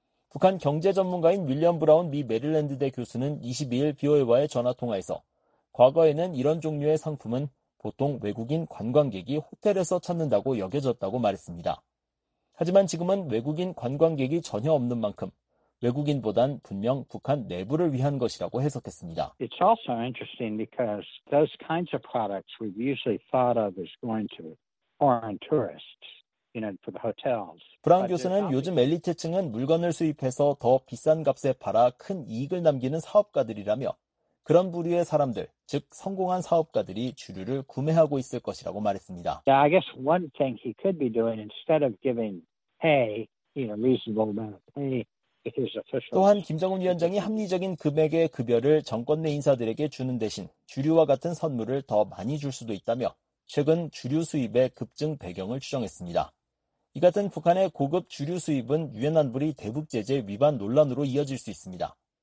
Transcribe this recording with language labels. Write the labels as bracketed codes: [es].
[ko] 북한 경제 전문가인 윌리엄 브라운 미 메릴랜드대 교수는 22일 BOA와의 전화통화에서 과거에는 이런 종류의 상품은 보통 외국인 관광객이 호텔에서 찾는다고 여겨졌다고 말했습니다. 하지만 지금은 외국인 관광객이 전혀 없는 만큼 외국인보단 분명 북한 내부를 위한 것이라고 해석했습니다. [en] It's also interesting because those kinds of products we've usually thought of as going to foreign tourists, you know, for the hotels. [ko] 브라운 교수는 요즘 엘리트층은 물건을 수입해서 더 비싼 값에 팔아 큰 이익을 남기는 사업가들이라며 그런 부류의 사람들, 즉 성공한 사업가들이 주류를 구매하고 있을 것이라고 말했습니다. [en] Yeah, I guess one thing he could be doing instead of giving pay, you know, reasonable amount of pay. [ko] 또한 김정은 위원장이 합리적인 금액의 급여를 정권 내 인사들에게 주는 대신 주류와 같은 선물을 더 많이 줄 수도 있다며 최근 주류 수입의 급증 배경을 추정했습니다. 이 같은 북한의 고급 주류 수입은 유엔 안보리 대북 제재 위반 논란으로 이어질 수 있습니다.